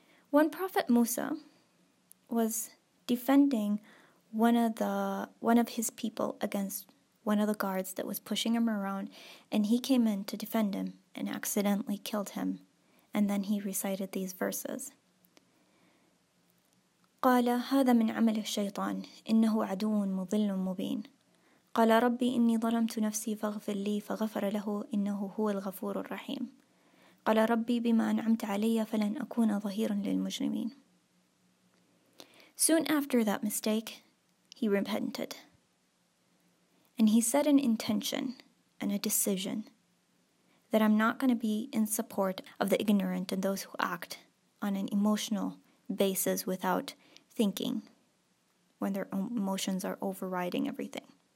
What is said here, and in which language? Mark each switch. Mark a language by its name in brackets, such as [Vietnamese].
[English] When Prophet Musa was defending one of his people against one of the guards that was pushing him around, and he came in to defend him and accidentally killed him, and then he recited these verses. [Arabic] قال هذا من عمل الشيطان إنه عدو مضل مبين قال ربي إني ظلمت نفسي فاغفر لي فغفر له إنه هو الغفور الرحيم قال ربي بما أنعمت علي فلن أكون ظهيرا للمجرمين. [English] Soon after that mistake, he repented. And he set an intention and a decision that I'm not going to be in support of the ignorant and those who act on an emotional basis without thinking, when their emotions are overriding everything.